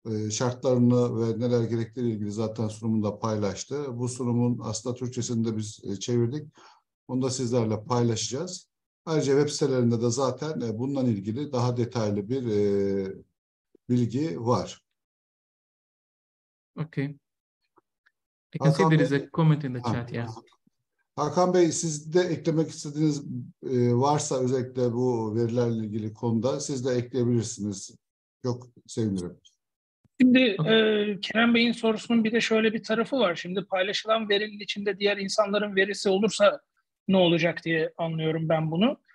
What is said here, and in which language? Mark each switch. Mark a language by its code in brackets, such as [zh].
[tr] Şartlarını ve neler gerektiğiyle ilgili zaten sunumunda paylaştı. Bu sunumun aslında Türkçesini de biz çevirdik. Onu da sizlerle paylaşacağız. Ayrıca web sitelerinde de zaten bundan ilgili daha detaylı bir bilgi var. [en] Okay. I can see there is a comment in the chat, yeah. [tr] Hakan Bey, siz de eklemek istediğiniz varsa özellikle bu verilerle ilgili konuda siz de ekleyebilirsiniz. Çok sevinirim. Şimdi Kerem Bey'in sorusunun bir de şöyle bir tarafı var. Şimdi paylaşılan verinin içinde diğer insanların verisi olursa ne olacak diye anlıyorum ben bunu.